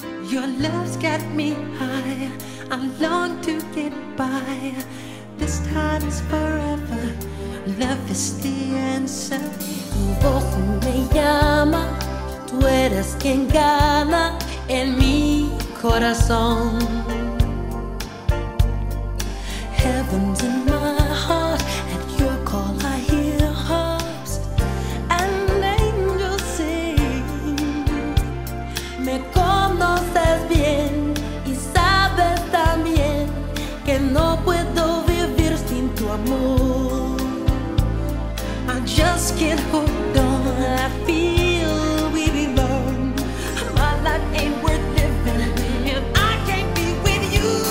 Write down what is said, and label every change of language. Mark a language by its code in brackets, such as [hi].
[en] Your love's got me high, I long to get by. This time is forever, love is the answer. [es] Tu voz me llama, tú eres quien gana en mi corazón. [en] Heaven's in my heart, at your call I hear harps and angels sing. [es] Me conoces bien y sabes también que no puedo vivir sin tu amor. [en] I just can't hold on, I feel we belong. My life ain't worth living if I can't be with you.